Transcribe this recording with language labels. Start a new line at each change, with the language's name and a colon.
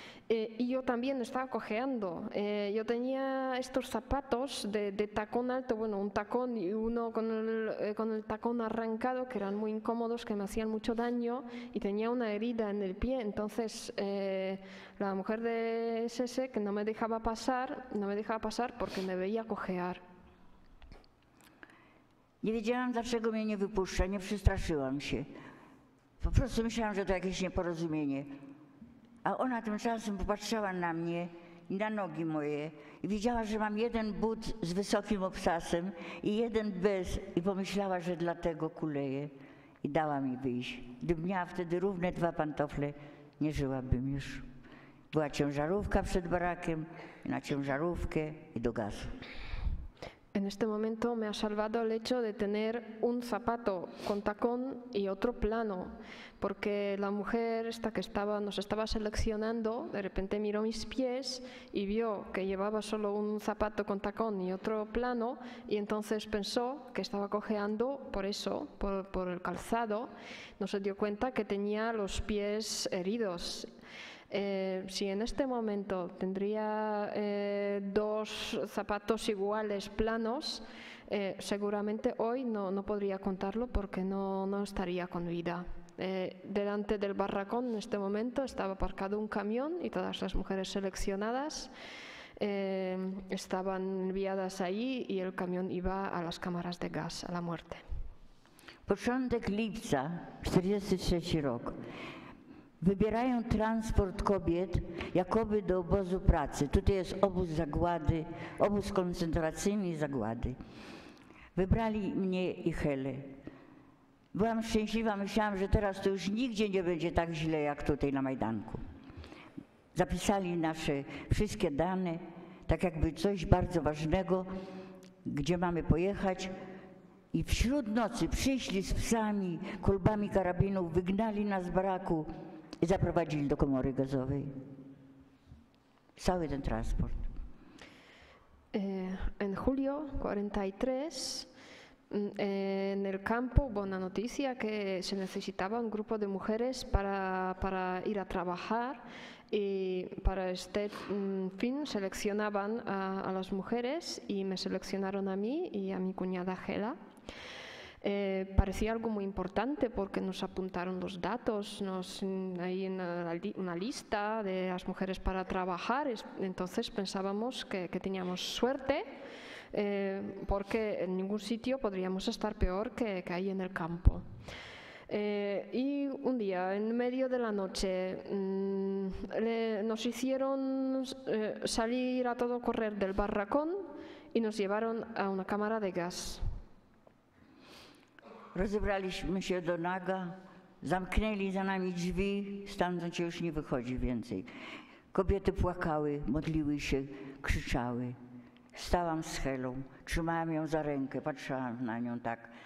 Spanish: Y yo también estaba cojeando. Yo tenía estos zapatos de tacón alto, bueno, un tacón y uno con el tacón arrancado, que eran muy incómodos, que me hacían mucho daño, y tenía una herida en el pie. Entonces, la mujer de SS, que no me dejaba pasar, no me dejaba pasar porque me veía cojear.
Polish: Nie wiedziałam, dlaczego mnie nie wypuszcza, nie przestraszyłam się. Po prostu myślałam, że to jakieś nieporozumienie. A ona tymczasem popatrzyła na mnie i na nogi moje i widziała, że mam jeden but z wysokim obcasem i jeden bez i pomyślała, że dlatego kuleje i dała mi wyjść. Gdybym miała wtedy równe dwa pantofle, nie żyłabym już. Była ciężarówka przed barakiem, na ciężarówkę i do gazu.
Spanish: En este momento me ha salvado el hecho de tener un zapato con tacón y otro plano, porque la mujer esta que estaba, nos estaba seleccionando, de repente miró mis pies y vio que llevaba solo un zapato con tacón y otro plano, y entonces pensó que estaba cojeando por eso, por el calzado. No se dio cuenta que tenía los pies heridos. Si en este momento tendría dos zapatos iguales, planos, seguramente hoy no podría contarlo porque no estaría con vida. Delante del barracón en este momento estaba aparcado un camión y todas las mujeres seleccionadas estaban enviadas allí y el camión iba a las cámaras de gas, a la muerte.
Polish: Początek lipca, 43 rok. Wybierają transport kobiet jakoby do obozu pracy. Tutaj jest obóz zagłady, obóz koncentracyjny zagłady. Wybrali mnie i Helę. Byłam szczęśliwa, myślałam, że teraz to już nigdzie nie będzie tak źle jak tutaj na Majdanku. Zapisali nasze wszystkie dane, tak jakby coś bardzo ważnego, gdzie mamy pojechać, I wśród nocy przyszli z psami, kolbami karabinów, wygnali nas z baraku i zaprowadzili do komory gazowej. Cały ten transport.
Spanish: En julio 43, en el campo hubo una noticia que se necesitaba un grupo de mujeres para ir a trabajar y para este fin seleccionaban a las mujeres y me seleccionaron a mí y a mi cuñada Gela. Parecía algo muy importante porque nos apuntaron los datos, ahí en una lista de las mujeres para trabajar, entonces pensábamos que teníamos suerte porque en ningún sitio podríamos estar peor que ahí en el campo. Y un día, en medio de la noche, nos hicieron salir a todo correr del barracón y nos llevaron a una cámara de gas.
Polish: Rozebraliśmy się do naga, zamknęli za nami drzwi, stamtąd się już nie wychodzi więcej. Kobiety płakały, modliły się, krzyczały. Stałam z Helą, trzymałam ją za rękę, patrzyłam na nią tak.